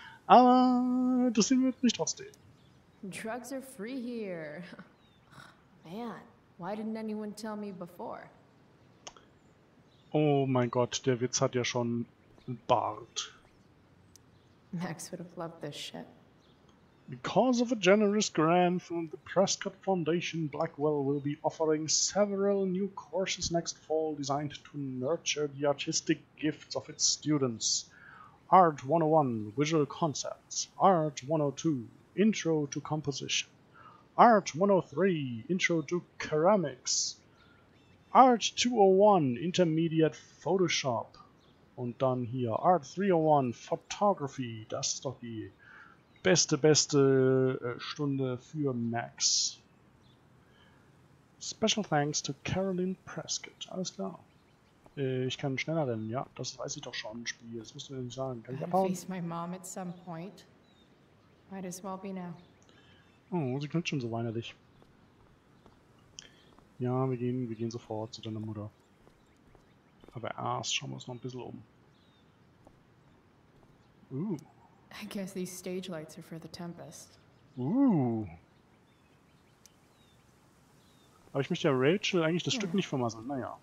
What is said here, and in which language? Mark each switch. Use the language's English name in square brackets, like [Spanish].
[German] Aber das sehen wir nicht trotzdem. [English] Drugs are free here. Man, why didn't anyone tell me before? [German] Oh mein Gott, der Witz hat ja schon einen Bart. [English] Max would have loved this shit. Because of a generous grant from the Prescott Foundation, Blackwell will be offering several new courses next fall designed to nurture the artistic gifts of its students. Art 101, Visual Concepts. Art 102, Intro to Composition. Art 103, Intro to Ceramics. Art 201, Intermediate Photoshop. [German] Und dann hier, Art 301, Photography. Das ist doch die beste Stunde für Max. [English] Special thanks to Caroline Prescott. [German] Alles klar. Ich kann schneller rennen, ja. Das weiß ich doch schon im Spiel. Das musst du nicht sagen. Kann ich abhauen? [English] Face my mom at some point. Might as well be now. [German] Oh, sie klingt schon so weinerlich. Ja, wir gehen sofort zu deiner Mutter. Aber erst schauen wir uns noch ein bisschen um. [English] I guess these stage lights are for the Tempest. [German] Aber ich möchte ja Rachel eigentlich das Stück nicht vermasseln, naja.